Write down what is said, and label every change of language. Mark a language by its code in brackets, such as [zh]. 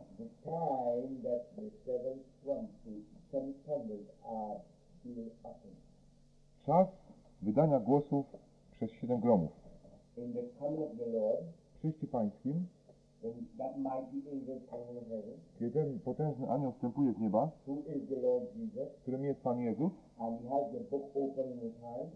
[en] the time that the seven trumpets, seven thunders are being uttered. [pl] Czas wydania głosów przez siedem gromów. [en] In the coming of the Lord, [pl] przyjście Pańskim, [en] when that mighty angel comes from heaven, [pl] kiedy ten potężny anioł wstępuje z nieba, [en] who is the Lord Jesus, [pl] którym jest Pan Jezus, [en] and he has the book open in his hand,